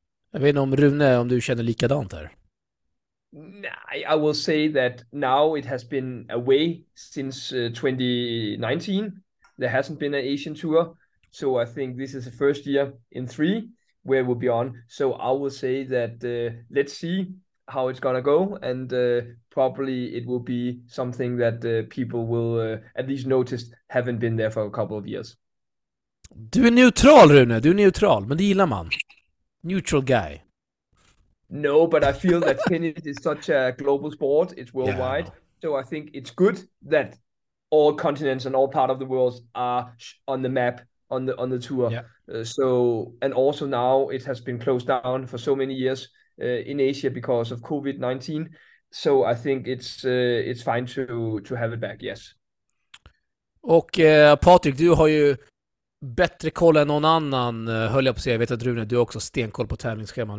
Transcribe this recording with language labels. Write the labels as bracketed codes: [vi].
[sv] Jag vet inte om Rune, om du känner likadant här. [en] Nej, I will say that now it has been away since 2019. There hasn't been an Asian tour. So I think this is the first year in 3 where we'll be on. So I will say that let's see how it's gonna go, and probably it will be something that people will at least notice haven't been there for a couple of years. [sv] Du är neutral, Rune. Du är neutral, men det gillar man. [en] Neutral guy. No, but I feel that tennis is such a global sport. It's worldwide. Yeah, so I think it's good that all continents and all part of the world are on the map. On the tour. Yeah. So, and also now it has been closed down for so many years in Asia because of COVID-19. So I think it's fine to have it back, yes. [sv] Och Patrik, du har ju bättre koll än någon annan, höll jag på att säga. Jag vet att Rune, du har också stenkoll på tävlingsscheman.